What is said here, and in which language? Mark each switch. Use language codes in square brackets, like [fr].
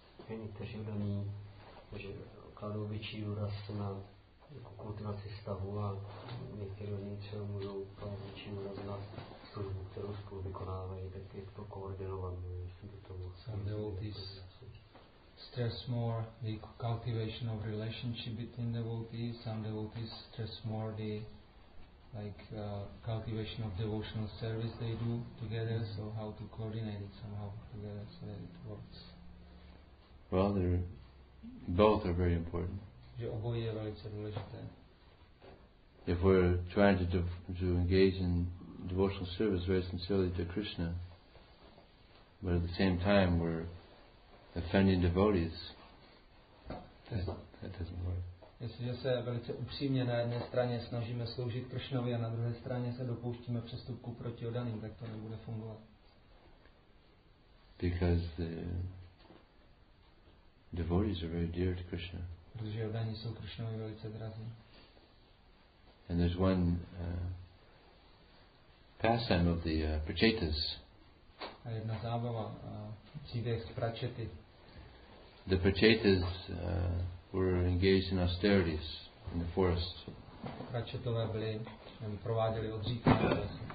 [cs] Někteří udaní, že kladou větší důraz na kultivaci stavu a někteří udaní třeba můžou kladou větší důraz na službu, kterou spolu vykonávají, tak je to koordinované. [en] Some devotees stress more the cultivation of relationship between devotees. Some devotees stress more the cultivation of devotional service they do together. So how to coordinate it somehow together so that it works. Well, both are very important. [cs] Že oboje je velice důležité. [en] If we're trying to engage in devotional service very sincerely to Krishna, but at the same time we're offending devotees, that doesn't work. [cs] Jestliže se velice upřímně na jedné straně snažíme sloužit Kršnovi a na druhé straně se dopouštíme přestupku proti odaným, tak to nebude fungovat. [en] Because the devotees are very dear to Krishna. [cs] Protože odaní jsou Kršnovi velice drazí. [en] And there's one pastime of the prachetas. [cs] A jedna zábava přijde z prachety. [en] The prachetas were engaged in austerities in the forest. [cs] Prachetové byli, prováděli odříkání.